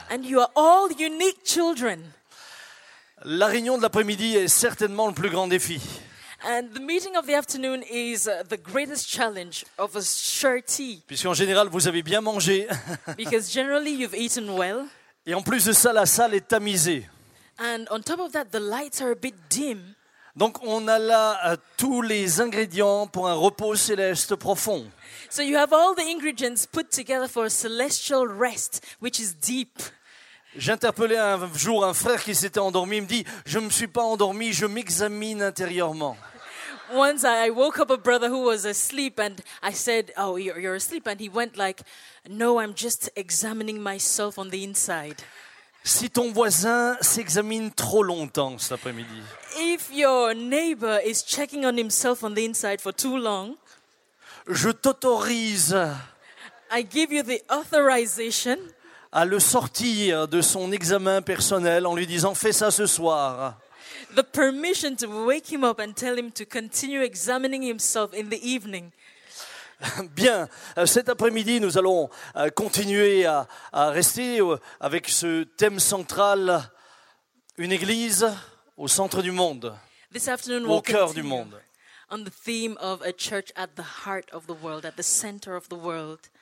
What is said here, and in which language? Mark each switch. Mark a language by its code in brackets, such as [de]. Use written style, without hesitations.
[en] And you are all unique children. [fr] La réunion de l'après-midi est certainement le plus grand défi. [en] And the meeting of the afternoon is the greatest challenge of a surety. [fr] Puisqu'en général, vous avez bien mangé. [en] Because generally you've eaten well. [fr] Et en plus de ça, la salle est tamisée. [en] And on top of that, the lights are a bit dim. [fr] Donc on a là tous les ingrédients pour un repos céleste profond. [en] So you have all the ingredients put together for a celestial rest, which is deep. [fr] J'interpellais un jour un frère qui s'était endormi. Il me dit, je ne me suis pas endormi, je m'examine intérieurement. [en] Once I woke up a brother who was asleep and I said, oh, you're asleep. And he went like, no, I'm just examining myself on the inside. [fr] Si ton voisin s'examine trop longtemps cet après-midi. [en] If your neighbor is checking on himself on the inside for too long. [fr] Je t'autorise. [en] I give you the authorization. [fr] À le sortir de son examen personnel en lui disant fais ça ce soir. [en] The permission to wake him up and tell him to continue examining himself in the evening. [fr] Bien, cet après-midi nous allons continuer à rester avec ce thème central, une église au centre du monde, [en] this afternoon, [fr] au cœur du monde. [en] On the theme of a church at the heart of the world, at the center of the world.